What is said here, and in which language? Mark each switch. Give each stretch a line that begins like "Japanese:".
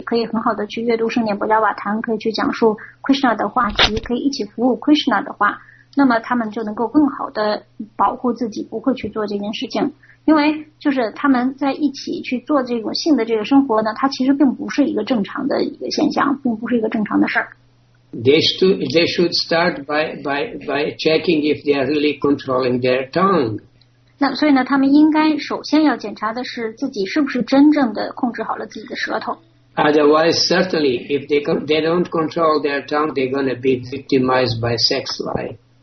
Chinese: 所以说，如果是这夫妻双方，他们两个人能够在一起很好的去进行灵性上的这个修习，可以很好的去阅读圣典博伽瓦坛，可以去讲述 Krishna 的话题，可以一起服务 Krishna 的话，那么他们就能够更好的保护自己，不会去做这件事情。因为就是他们在一起去做这个性的这个生活呢，它其实并不是一个正常的一个现象，并不是一个正常的事儿。
English: They should start by checking if they are really controlling their tongue.
Chinese: 那所以呢，他们应该首先要检查的是自己是不是真正的控制好了自己的舌头。
English: Otherwise, certainly, if they don't control their tongue, they're going to be victimized by sex life.